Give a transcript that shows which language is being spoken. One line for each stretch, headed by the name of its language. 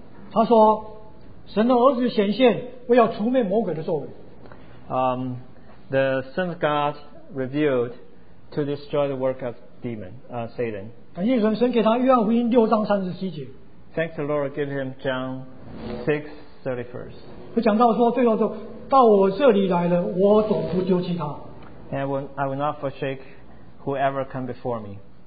Chinese: 他说，神的儿子显现，为要除灭魔鬼的作为。
English: The Son of God revealed to destroy the work of demon, Satan.
Chinese: 感谢神，神给他约翰福音6章37节。
English: Thanks the Lord, give him John 6:31.
Chinese: 他讲到说，最后说。到我这里来了，我总不丢弃他。
English: And I will not forsake whoever come before me.